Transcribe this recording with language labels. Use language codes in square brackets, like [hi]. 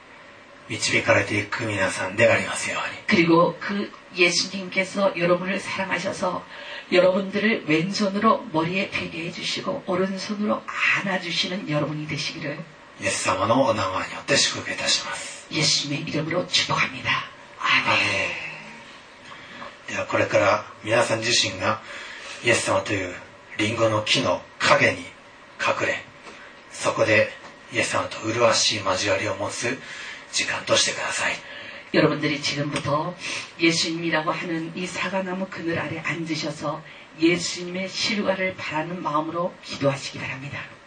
[ja] 예수様の腕で覆われてそこで安らいそこで守られるそして導かれていく皆さんでありますように. [ko] 그리고 그 예수님께서 여러분을 사랑하셔서 여러분들을 왼손으로 머리에 베게 해주시고 오른손으로 안아주시는 여러분이 되시기를. 예수님의 이름으로 축복합니다. 아멘. [ja] これから皆さん自身がイエス様というリンゴの木の影に隠れそこでイエス様と麗しい交わりを持つ時間としてください. [ko] 여러분들이 지금부터 예수님이라고 하는 이 사과나무 그늘 아래 앉으셔서 예수님의 실과를 바라는 마음으로 기도하시기 바랍니다.